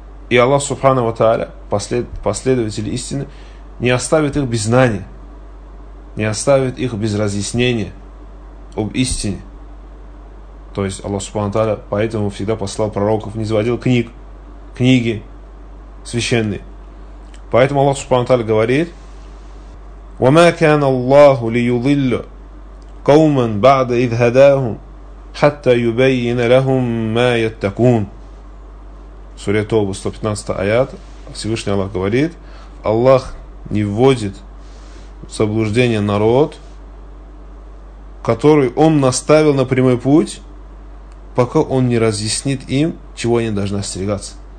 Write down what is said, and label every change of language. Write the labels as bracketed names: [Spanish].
[Russian] И Аллах Субхана ва Тааля, последователи истины, не оставит их без знания, не оставит их без разъяснения об истине. То есть Аллах Субхана ва Тааля поэтому всегда послал пророков, низводил книги священные. Поэтому Аллах Субхана ва Тааля говорит: [Arabic] وَمَا كَانَ اللَّهُ لِيُضِلَّ قَوْمًا بَعْدَ إِذْ هَدَاهُمْ حَتَّى يُبَيِّنَ لَهُمْ مَا يَتَّقُونَ. [Russian] Сура Тоба, 115 аят. Всевышний Аллах говорит: Аллах не вводит в заблуждение народ, который он наставил на прямой путь, пока он не разъяснит им, чего они должны остерегаться.